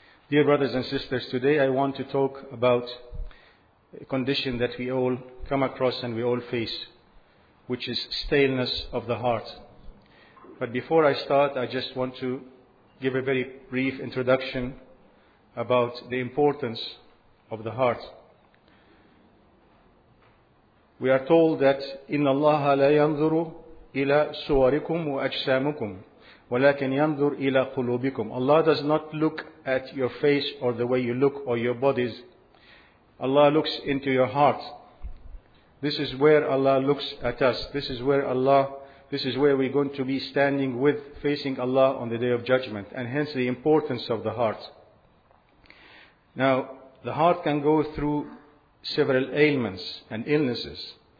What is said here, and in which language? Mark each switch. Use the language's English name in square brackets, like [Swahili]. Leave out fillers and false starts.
[English] Dear brothers and sisters, today I want to talk about a condition that we all come across and we all face, which is staleness of the heart. But before I start, I just want to give a very brief introduction about the importance of the heart. We are told that [Arabic] إِنَّ اللَّهَ لَا يَنْظُرُ إِلَى سُوَرِكُمْ وَأَجْسَامُكُمْ وَلَكِنْ يَنْظُرُ إِلَى قُلُوبِكُمْ. [English] Allah does not look at your face or the way you look or your bodies. Allah looks into your heart. This is where Allah looks at us. This is where we're going to be standing with, facing Allah on the Day of Judgment. And hence the importance of the heart. Now, the heart can go through several ailments and illnesses.